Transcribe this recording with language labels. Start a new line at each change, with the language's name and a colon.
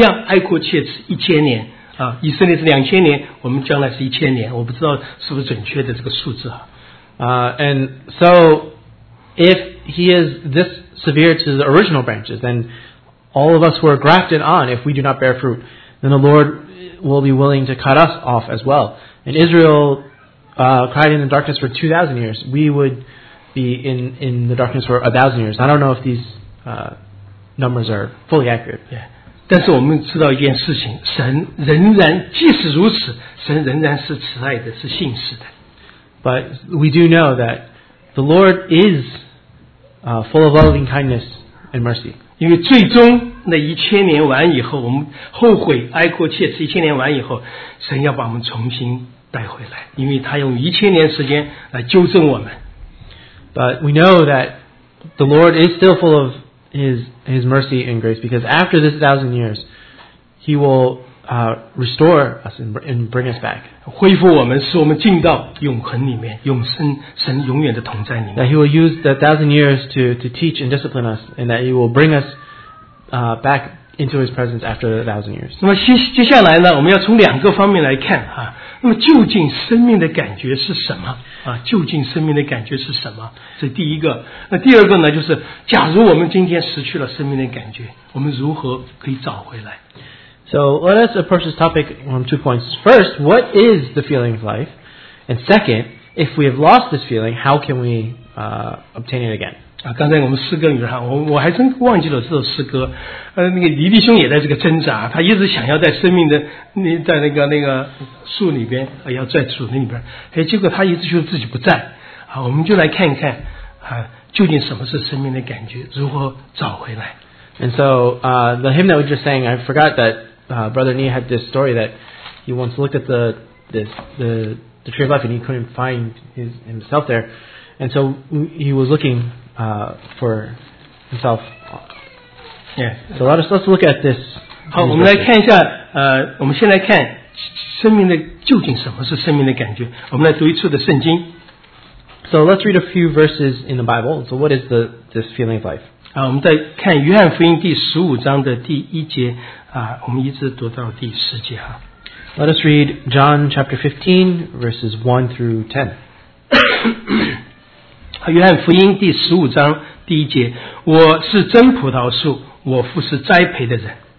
Chinese: 我们会在黑暗里边，基督徒，如果我们真的不结果子，那神把我们剪下来，会让我们在黑暗里边同样哀哭切齿一千年。以色列是2000年，我们将来是1000年，我不知道是不是准确的这个数字啊。
English: And so, if he is this severe to the original branches, then all of us who are grafted on, if we do not bear fruit, then the Lord will be willing to cut us off as well. And Israel cried in the darkness for 2,000 years. We would be in the darkness for 1,000 years. I don't know if these numbers are fully accurate. Yeah.
Chinese: 但是我们知道一件事情，神仍然即使如此，神仍然是慈爱的，是信实的。
English: But we do know that the Lord is full of loving kindness and mercy.
Chinese: 因为最终那1000年完以后，我们后悔哀哭切齿1000年完以后，神要把我们重新带回来，因为他用1000年时间来纠正我们。
English: But we know that the Lord is still full of His mercy and grace, because after this 1,000 years, He will restore us and bring us back.
Chinese: 恢复我们，使我们进到永恒里面，永生神永远的同在里面。
English: That He will use the 1,000 years to teach and discipline us, and that He will bring us back into His presence after 1,000 years.
Chinese: 那么接下来呢，我们要从两个方面来看啊。那么究竟生命的感觉是什么啊？究竟生命的感觉是什么？这第一个。那第二个呢，就是假如我们今天失去了生命的感觉，我们如何可以找回来？
English: So let us approach this topic from two points. First, what is the feeling of life? And second, if we have lost this feeling, how can we obtain it again?
Chinese: 刚才我们诗歌里面，我还真忘记了这首诗歌。那个黎弟兄也在这个挣扎，他一直想要在生命的那在那个树里边，要在树林里边。哎，结果他一直觉得自己不在。好，我们就来看一看啊，究竟什么是生命的感觉，如何找回来。
English: And so, the hymn that we just sang, I forgot that, Brother Nee had this story that he once looked at the tree of life and he couldn't find himself there. And so he was looking, for himself. Yeah. So let's look at this.
Chinese: 好，我们来看一下，我们先来看生命的究竟什么是生命的感觉。我们来读一处的圣经。
English: So let's read a few verses in the Bible. So what is this feeling of life?
Chinese: 啊，我们再看约翰福音第十五章的第一节啊，我们一直读到第十节哈。
English: Let us read John chapter 15:1-10.
Chinese: 约翰福音第十五章第一节，我是真葡萄树，我父是栽培的人。